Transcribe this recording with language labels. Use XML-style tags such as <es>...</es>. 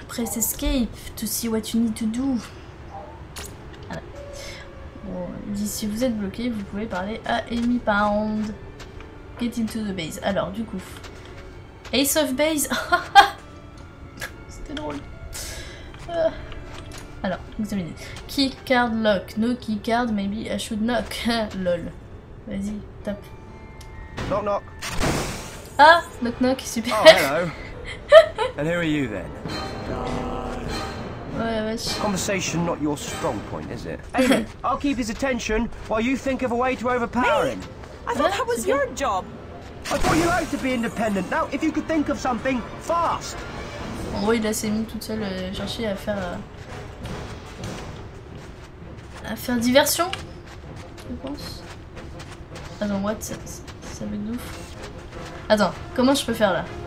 <en>Press escape to see what you need to do.</en> <fr>Bon, si vous êtes bloqué, vous pouvez parler à Amy Pound.</fr> <en>Get into the base.</en> <fr>Alors, du coup, Ace of Base. C'était drôle. Alors, examinez.</fr> <en>Key card lock. No key card. Maybe I should knock. Lol.</en> <fr>Vas-y, tape.</fr> <en>Knock knock. Ah, knock knock, super. Oh, hello. And who are you then?</en> <fr>Ouais,</fr> <en>bah, conversation not your strong point, is it? Amy, I'll keep his attention while you think of a way to overpower me? Him. I thought that was your job. I thought you liked to be independent. Now, if you could think of something fast.</en> <fr>En gros, il a s'est mis toute seule chercher à faire diversion. Je pense. Attends, what? Ça veut être ouf. Attends, comment je peux faire là?</fr>